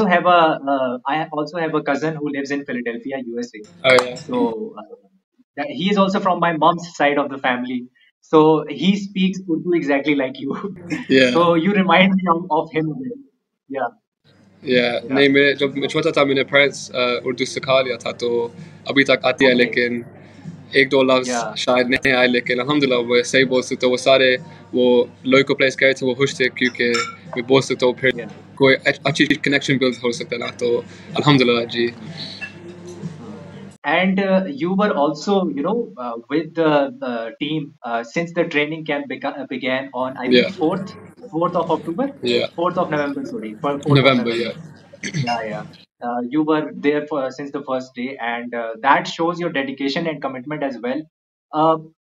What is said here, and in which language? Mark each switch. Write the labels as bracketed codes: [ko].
[en] I also have a cousin who lives in Philadelphia, USA. Oh, yeah. So he is also from my mom's side of the family. So he speaks Urdu exactly like you. Yeah. So you remind me of him. Yeah. Yeah, yeah. [ur] نہیں، میرے، چھوٹا تھا، میرے parents Urdu سکھا لیا تھا، تو ابھی تک آتی ہے، لیکن ایک دو لفظ شاید نہیں آئے، لیکن الحمدللہ وہ صحیح بول سکتے ہو، وہ سارے وہ local players کہتے تھے وہ خوش تھے، کیونکہ میں بول سکتا ہو، پھر کوئی اچھی connection build ہو سکتا نا، تو الحمدللہ جی۔ [en] And you were also, you know, with the team since the training camp began on, I think, 4th of October? Yeah. 4th of November, sorry. 4th of November, yeah. Yeah, yeah. You were there for since the first day, and that shows your dedication and commitment as well.